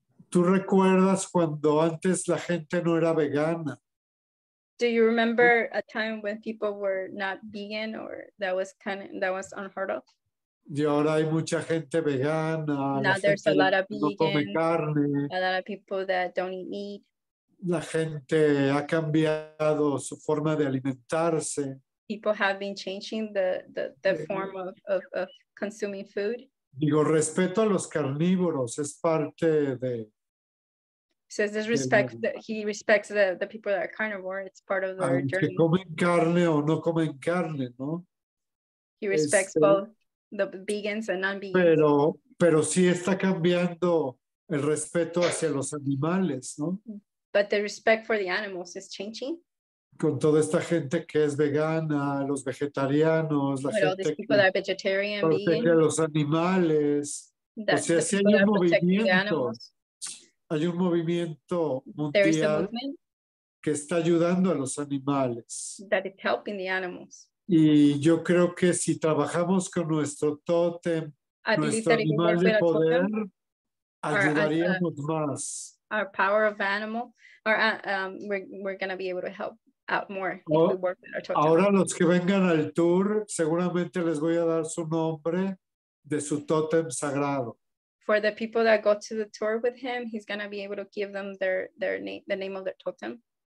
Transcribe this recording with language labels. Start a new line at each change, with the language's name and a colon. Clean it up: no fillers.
Spanish: ¿Tú recuerdas cuando antes la gente no era vegana?
English: Do you remember a time when people were not vegan, or that was unheard of?
Spanish: Y ahora hay mucha gente vegana.
English: Now there's a lot of vegan.
Spanish: No come carne.
English: A lot of people that don't eat meat.
Spanish: La gente ha cambiado su forma de alimentarse.
English: People have been changing the form of consuming food.
Spanish: Digo, respeto a los carnívoros, es parte de.
English: Says this respect, he respects the people that are carnivore. It's part of their journey.
Spanish: Comen carne o no comen carne, ¿no?
English: He respects both the vegans and non-vegans.
Spanish: Pero sí está cambiando el respeto hacia los animales, ¿no?
English: But the respect for the animals is changing.
Spanish: Con toda esta gente que es vegana, los vegetarianos, la gente que protege a los animales. O sea, sí hay un movimiento. Hay un movimiento mundial que está ayudando a los animales.
English: That is helping the animals.
Spanish: Y yo creo que si trabajamos con nuestro tótem, nuestro animal de poder, ayudaríamos más.
English: Our power of animal, we're going to be able to help out more if we work with our totem.
Spanish: Ahora los que vengan al tour, seguramente les voy a dar su nombre de su tótem sagrado.
English: For the people that go to the tour with him, he's going to be able to give them their name, the name of their totem.